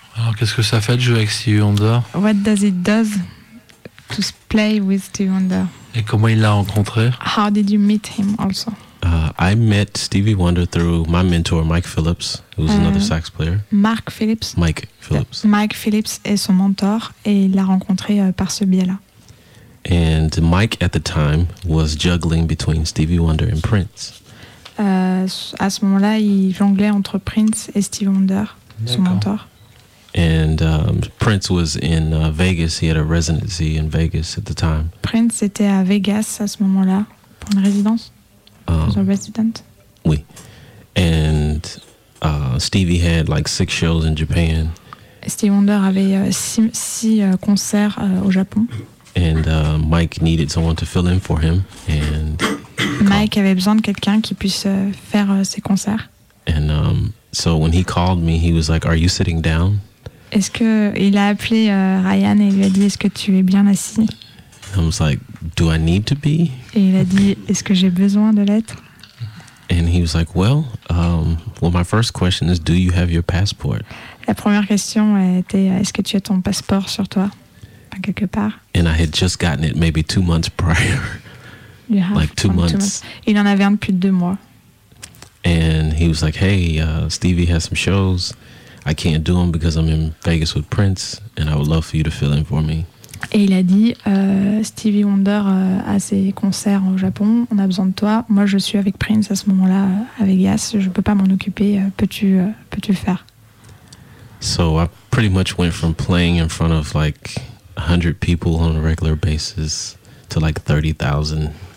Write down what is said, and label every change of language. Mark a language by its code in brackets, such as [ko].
[fr] Alors, qu'est-ce que ça fait de jouer avec Stevie Wonder? [en] What does it do to play with Stevie Wonder? [fr] Et comment il l'a rencontré? [en] How did you meet him also? I met Stevie Wonder through my mentor, Mike Phillips, who's another sax player. [fr] Mike Phillips est son mentor et il l'a rencontré par ce biais-là. [en] And Mike at the time was juggling between Stevie Wonder and Prince. [fr] À ce moment-là, il jonglait entre Prince et Stevie Wonder, son mentor. [en] And Prince was in Vegas. He had a residency in Vegas at the time. [fr] Prince était à Vegas à ce moment-là pour une résidence. [en] For a resident. Oui. And Stevie had like 6 shows in Japan. [fr] Stevie Wonder avait 6 concerts au Japon. [en] And Mike needed someone to fill in for him. And [fr] Mike avait besoin de quelqu'un qui puisse faire ses concerts. [en] And so when he called me, he was like, "Are you sitting down?" [fr] Est-ce que il a appelé Ryan et lui a dit, "Est-ce que tu es bien assis?" [en] I was like, "Do I need to be?" [fr] Et il a dit, "Est-ce que j'ai besoin de l'être?" [en] And he was like, "Well, my first question is, do you have your passport?" [fr] La première question était, est-ce que tu as ton passeport sur toi? Quelque part. [en] And I had just gotten it maybe 2 months prior. You have like two months. [fr] Il en avait un depuis 2 mois. [en] And he was like, hey, Stevie has some shows. I can't do them because I'm in Vegas with Prince, and I would love for you to fill in for me. [fr] Et il a dit, Stevie Wonder a ses concerts au Japon, on a besoin de toi. Moi, je suis avec Prince à ce moment-là, à Vegas, je ne peux pas m'en occuper. Peux-tu le faire? [en] So I pretty much went from playing in front of like 100 people on a regular basis to like 30,000.